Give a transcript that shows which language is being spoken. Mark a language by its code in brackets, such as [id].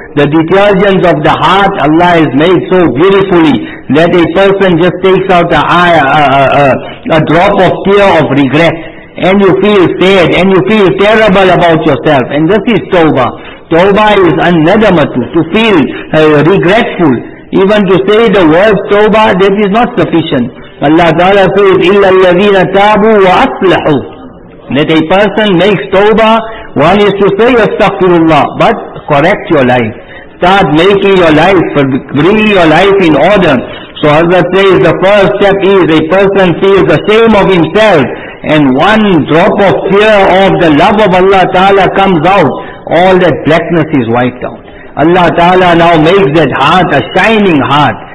[en] The detergents of the heart Allah has made so beautifully that a person just takes out a drop of tear of regret. And you feel sad, and you feel terrible about yourself. And this is tawbah. Tawbah is an-nadamatu, to feel regretful. Even to say the word tawbah, that is not sufficient. Allah Ta'ala says, [ar] إِلَّا الَّذِينَ تَابُوا وَأَصْلَحُوا. [en] That a person makes tawbah, one is to say astaghfirullah, but correct your life. Start making your life, bring your life in order. So Hazrat says, the first step is a person feels the shame of himself, and one drop of fear of the love of Allah Ta'ala comes out, all that blackness is wiped out. Allah Ta'ala now makes that heart a shining heart.